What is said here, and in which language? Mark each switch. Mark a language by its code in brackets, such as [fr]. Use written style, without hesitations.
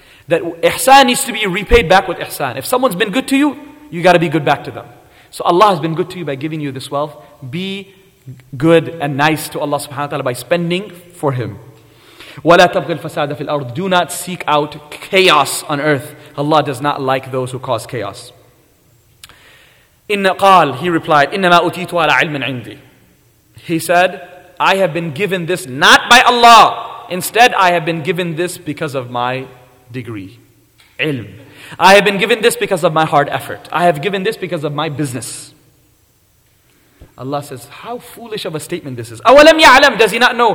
[en] That ihsan needs to be repaid back with ihsan. If someone's been good to you, you got to be good back to them. So Allah has been good to you by giving you this wealth. Be good and nice to Allah subhanahu wa ta'ala by spending for Him. [ar] وَلَا تَبْغِ الْفَسَادَ فِي الْأَرْضِ. [en] Do not seek out chaos on earth. Allah does not like those who cause chaos. [ar] إِنَّ قَال, [en] he replied, [ar] إِنَّمَا أُتِيتُ عَلَى عِلْمٍ عِنْدِي. [en] He said, I have been given this not by Allah. Instead, I have been given this because of my degree. Ilm. I have been given this because of my hard effort. I have given this because of my business. Allah says, how foolish of a statement this is. [ar] أَوَلَمْ يَعْلَمْ [en] Does he not know?